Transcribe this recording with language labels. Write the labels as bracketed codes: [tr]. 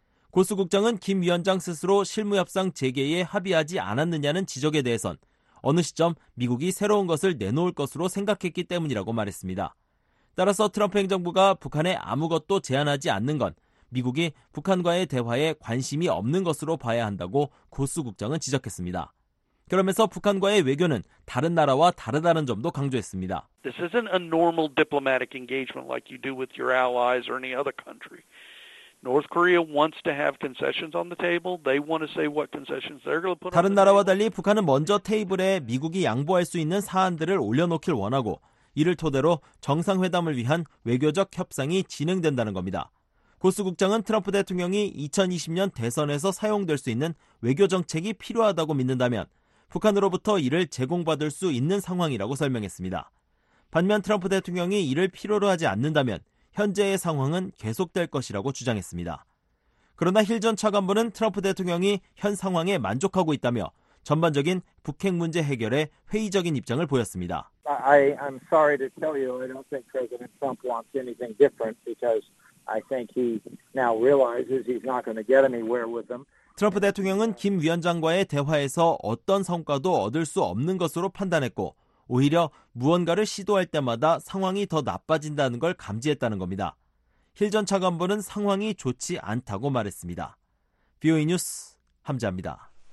[ko] 고스 국장은 김 위원장 스스로 실무협상 재개에 합의하지 않았느냐는 지적에 대해선 어느 시점 미국이 새로운 것을 내놓을 것으로 생각했기 때문이라고 말했습니다. 따라서 트럼프 행정부가 북한에 아무것도 제안하지 않는 건 미국이 북한과의 대화에 관심이 없는 것으로 봐야 한다고 고스 국장은 지적했습니다. 그러면서 북한과의 외교는 다른 나라와 다르다는 점도 강조했습니다. [en] This isn't a normal diplomatic engagement like you do with your allies or any other country. North Korea wants to have concessions on the table. They want to say what concessions they're going to put. [ko] 다른 나라와 달리 북한은 먼저 테이블에 미국이 양보할 수 있는 사안들을 올려놓길 원하고 이를 토대로 정상회담을 위한 외교적 협상이 진행된다는 겁니다. 고스 국장은 트럼프 대통령이 2020년 대선에서 사용될 수 있는 외교 정책이 필요하다고 믿는다면 북한으로부터 이를 제공받을 수 있는 상황이라고 설명했습니다. 반면 트럼프 대통령이 이를 필요로 하지 않는다면 현재의 상황은 계속될 것이라고 주장했습니다. 그러나 힐 전 차관보는 트럼프 대통령이 현 상황에 만족하고 있다며 전반적인 북핵 문제 해결에 회의적인 입장을 보였습니다. [en] I'm sorry to tell you, I don't think President Trump wants anything different because I think he now realizes he's not going to get anywhere with them. [ko] 트럼프 대통령은 김 위원장과의 대화에서 어떤 성과도 얻을 수 없는 것으로 판단했고 오히려 무언가를 시도할 때마다 상황이 더 나빠진다는 걸 감지했다는 겁니다. 힐 전 차관보는 상황이 좋지 않다고 말했습니다. VOA 뉴스 함자입니다.